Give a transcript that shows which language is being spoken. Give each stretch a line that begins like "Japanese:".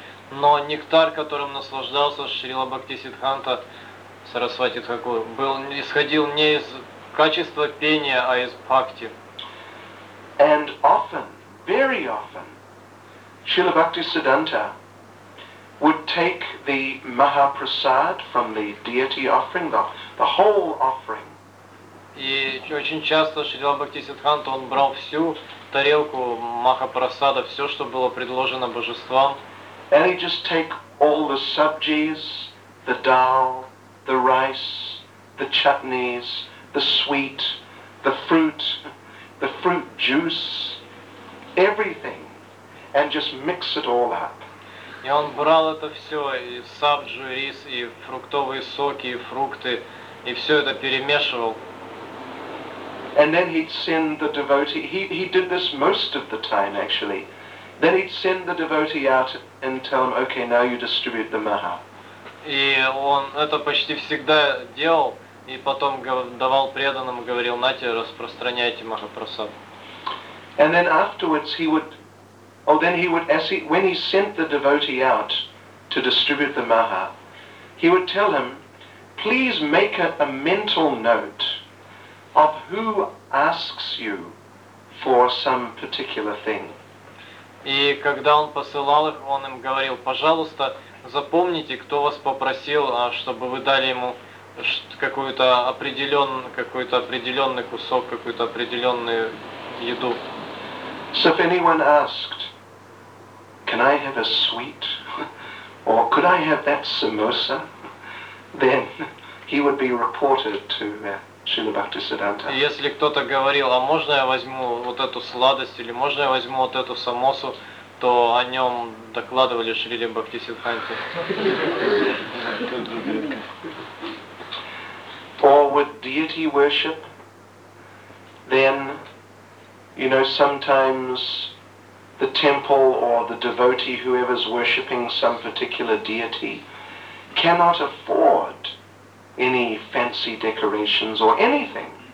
Russian: Но нектар, которым наслаждался Śrīla Bhaktisiddhanta Сарасвати Тхакур, исходил не из качества пения, а из бхакти.
English: And often, very often, Śrīla Bhaktisiddhanta would take the Mahaprasad from the deity offering, the whole offering.
Russian: И очень часто Śrīla Bhaktisiddhanta, он брал всю тарелку Mahaprasada, все, что было предложено божествам.
English: And he'd just take all the sabjis, the dal, the rice, the chutneys, the sweet, the fruit juice, everything, and just mix it all up.
Russian: И он брал это все, и сабджу, и рис, и фруктовые соки, и фрукты, и все это перемешивал.
English: And then he'd send the devotee, he did this most of the time, actually. Then he'd send the devotee out and tell him, okay, now you distribute the maha.
Russian: И он это почти всегда делал, и потом давал преданным, говорил, нате, распространяйте махапрасад.
English: And then afterwards when he sent the devotee out to distribute the maha, he would tell him, please make a mental note of who asks you for some particular thing.
Russian: И когда он посылал их, он им говорил, пожалуйста, запомните, кто вас попросил, чтобы вы дали ему какой-то определенный кусок, какую-то определенную еду.
English: So if anyone asked, can I have a sweet? Or could I have that samosa? Then he would be reported to Śrīla Bhaktisiddhanta.
Russian: Если кто-то говорил, а можно я возьму вот эту сладость или можно я возьму вот эту самосу, то о нем докладывали Шриле Бхактисиддханте.
English: Or with deity worship, then, you know, sometimes the temple or the devotee, whoever's worshipping some particular deity, cannot afford any fancy decorations or anything.